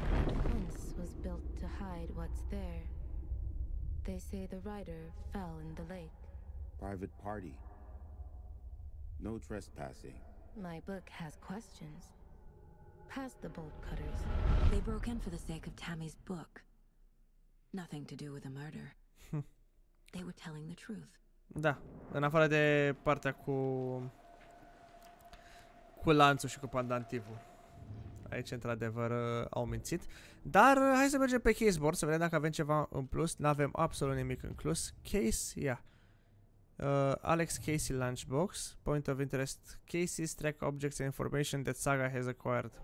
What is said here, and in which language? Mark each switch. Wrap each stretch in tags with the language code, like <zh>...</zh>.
<en>The fence was built to hide what's there. They say the rider fell in the lake. Private party. No trespassing. My book has questions. Past the bolt cutters. They broke in for the sake of Tammy's book. Nothing to do with the murder. They were telling the truth.</en> <ro>Da, în afară de partea cu lanțul și cu pandantivul. Aici, într-adevăr, au mințit. Dar hai să mergem pe caseboard să vedem dacă avem ceva în plus. N-avem absolut nimic în plus.</ro> <en>Case, ia. Alex Casey Lunchbox. Point of interest. Cases, track objects and information that Saga has acquired.</en>